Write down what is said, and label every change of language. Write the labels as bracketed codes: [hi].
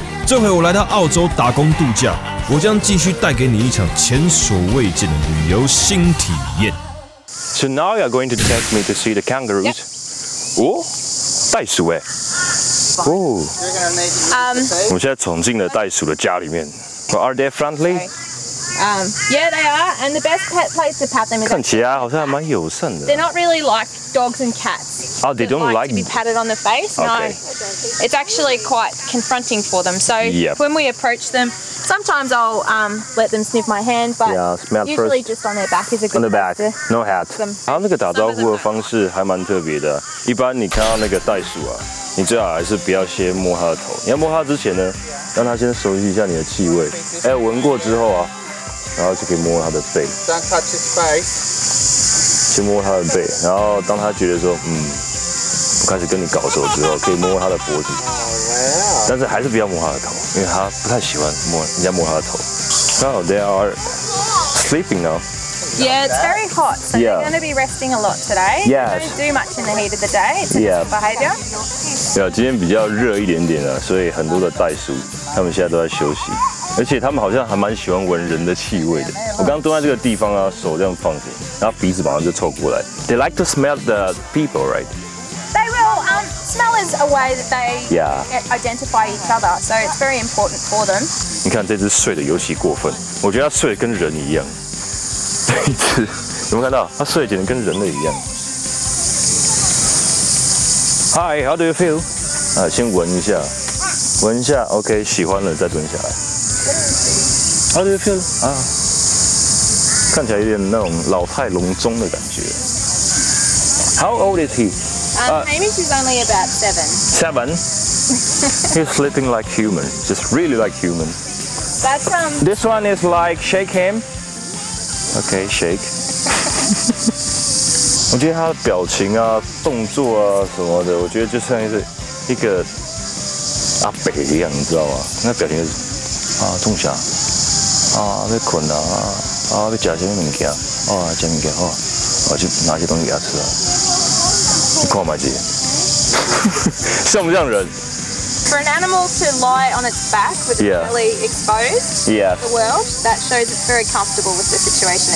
[zh] 这回我来到澳洲打工度假，我将继续带给你一场前所未见的旅游新体验。 [en] So now you're going to take me to see the kangaroos. [zh] Oh, 袋鼠哎。哦。我现在闯进了袋鼠的家里面。 [en] Are they friendly? Yeah, they are, and the best place to pat them is. [zh] 看起来好像还蛮友善的。 [en] They're not really like dogs and cats. Oh, they don't like to be patted on the face. Okay. No, it's actually quite confronting for them. So、 yep. when we approach them, sometimes I'll let them sniff my hand, but yeah, usually first, just on their back is a good. On the back, no hat. [zh] 然后那个打招呼的方式还蛮特别的。一般你看到那个袋鼠啊，你最好还是不要先摸它的头。你要摸它之前呢，让它先熟悉一下你的气味。哎，闻过之后啊。然后就可以摸他的背。 [en] Don't touch his face. [zh] 先摸他的背，然后当他觉得说，我开始跟你搞熟之后，可以摸他的脖子。 [en] Oh, wow. [zh] 但是还是不要摸他的头，因为他不太喜欢摸人家摸他的头。 [en] Oh, they are sleeping now. Yeah, it's very hot, so they're going to be resting a lot today. Yeah. Don't do much in the heat of the day. It's yeah. Behavior. [zh] Yeah, 今天比较热一点点啊，所以很多的袋鼠，他们现在都在休息。而且他们好像还蛮喜欢闻人的气味的。我刚蹲在这个地方啊，手这样放着，然后鼻子马上就凑过来。 [en] They like to smell the people, right? They will. Smell is a way that they identify each other, so it's very important for them. [zh] 你看这只睡得尤其过分，我觉得它睡得跟人一样。这一只，有没有看到？它睡得简直跟人类一样。 [en] Hi, how do you feel? [zh] 啊，先闻一下，闻一下 ，OK， 喜欢了再蹲下来。 [en] How do you feel? [zh] 啊，看起来有点那种老态龙钟的感觉。 [en] How old is he? Hamish is only about seven. Seven? He's sleeping like human, just really like human. That's This one is like shake him. Okay, shake. [zh] 我觉得他的表情啊、动作啊什么的，我觉得就像是一个阿伯一样，你知道吗？那表情、就是。啊，中啥？啊，要困啊！啊，要吃什么物件？哦，吃物件好，我去拿些东西给他吃啊。你看嘛，姐，像不像人 [en] ？For an animal to lie on its back with its belly exposed, the world that shows it's very comfortable with the situation